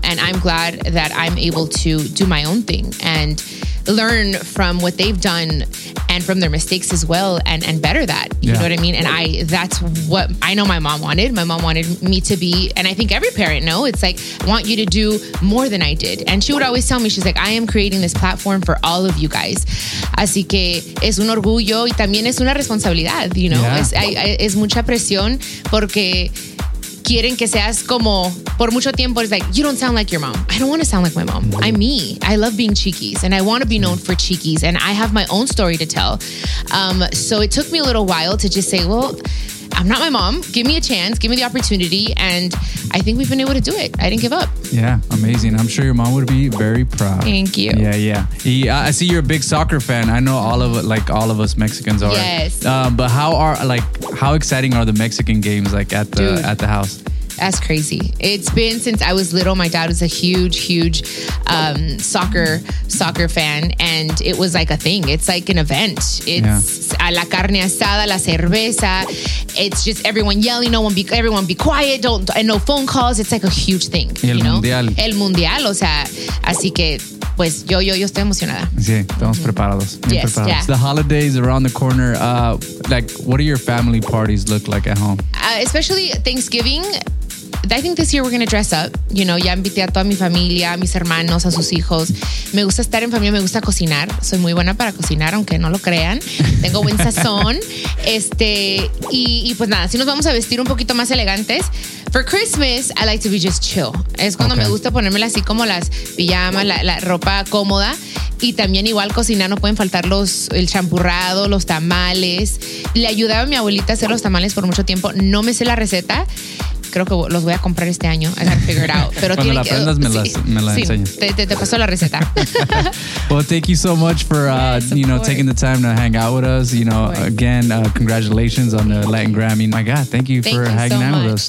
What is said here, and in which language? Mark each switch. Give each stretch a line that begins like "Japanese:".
English: And I'm glad that I'm able to do my own thing and learn from what they've done and from their mistakes as well and better that. You know what I mean? And that's what I know my mom wanted. My mom wanted me to be, and I think every parent know, it's like, I want you to do more than I did. And she would always tell me, she's like, I am creating this platform for all of you guys.
Spanish: Así que es un orgullo y también es una responsabilidad,
English: you know? Yeah.
Spanish: Es mucha presión porque quieren que seas como por mucho tiempo.
English: It's like, you don't sound like your mom. I don't want to sound like my mom. I'm me. I love being Cheekies and I want to be known for Cheekies and I have my own story to tell. So it took me a little while to just say, well, I'm not my mom. Give me a chance. Give me the opportunity. And I think we've been able to do it. I didn't give up. Yeah, amazing. I'm sure your mom would be very proud. Thank you. Yeah. I see you're a big soccer fan. I know all of us Mexicans are. Yes. But how exciting are the Mexican games like at the house? That's crazy. It's been since I was little. My dad was a huge soccer fan. And it was like a thing. It's like an event. It's
Spanish: la carne asada, la cerveza.
English: It's just everyone yelling. Everyone be quiet. And no phone calls. It's like a huge thing.
Spanish: El mundial. O sea, así que, pues, yo estoy emocionada. Sí, estamos preparados.
English: Yes. Yeah. So the holidays around the corner. What do your family parties look like at home? Especially Thanksgiving. I think this year we're going to dress up. You know,
Spanish: ya invité a toda mi familia, a mis hermanos, a sus hijos. Me gusta estar en familia, me gusta cocinar. Soy muy buena para cocinar, aunque no lo crean. Tengo buen sazón. Y pues nada, si nos vamos a vestir un poquito más elegantes.
English: For Christmas, I like to be just chill.
Spanish: Es cuando okay. me gusta ponérmela así como las pijamas, la ropa cómoda. Y también igual cocinar, no pueden faltar el champurrado, los tamales. Le ayudaba a mi abuelita a hacer los tamales por mucho tiempo. No me sé la receta. Creo que los voy a comprar este año.
English: I gotta figure it out. Pero
Spanish: cuando la aprendas, me la enseñas. Te paso la receta.
English: Well, thank you so much for, you know, taking the time to hang out with us. You know, again, congratulations on the Latin Grammy. My God, thank you for hanging out with us.